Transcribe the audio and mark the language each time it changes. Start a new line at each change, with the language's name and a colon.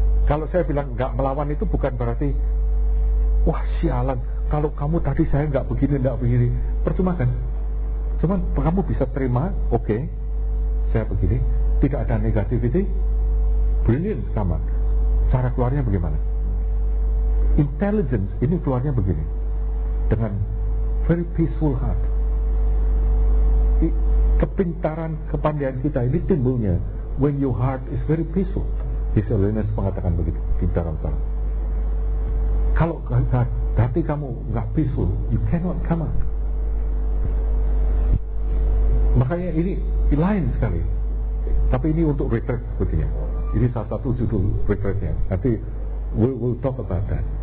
Indonesian: Kalau saya bilang nggak melawan itu bukan berarti, wah sialan. Kalau kamu tadi saya nggak begini, nggak begini, percuma kan? Cuman kamu bisa terima, oke, saya begini, tidak ada negativity. Brilliant sama. Cara keluarnya bagaimana? Intelligence ini keluarnya begini. Dengan
English: very peaceful heart.
Indonesian: Kepintaran, kepandaian kita ini timbulnya
English: when your heart is very peaceful.
Indonesian: His Holiness mengatakan begitu. Pintaran sana. Kalau hati kamu gak peaceful,
English: you cannot come out.
Indonesian: Makanya ini lain sekali. Tapi ini untuk retreat sepertinya. Ini salah satu judul retreatnya. Nanti
English: we'll talk about that.